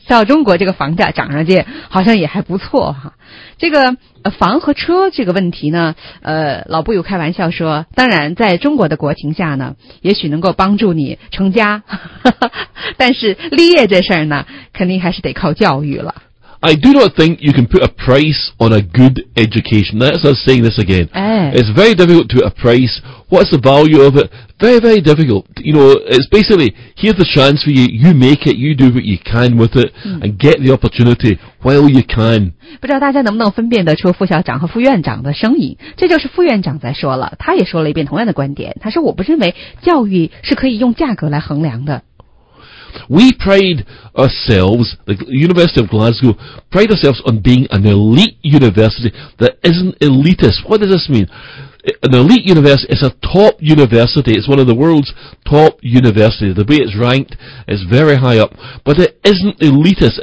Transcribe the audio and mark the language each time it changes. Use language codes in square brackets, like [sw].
[zh] 照中国这个房价涨上去，好像也还不错哈、啊。这个房和车这个问题呢，老布有开玩笑说，当然在中国的国情下呢，也许能够帮助你成家，但是立业这事儿呢，肯定还是得靠教育了。 [en] I do not think you can put a price on a good education. That's us saying this again. It's very difficult to put a price. What's the value of it? Very, very difficult. You know, it's basically, here's the chance for you. You make it, you do what you can with it, and get the opportunity while you can. [zh] 不知道大家能不能分辨得出副校长和副院长的声音，这就是副院长在说了，他也说了一遍同样的观点。他说我不认为教育是可以用价格来衡量的。 [en] We pride ourselves, the University of Glasgow, pride ourselves on being an elite university that isn't elitist. What does this mean? An elite university is a top university. It's one of the world's top universities. The way it's ranked is very high up. But it isn't elitist.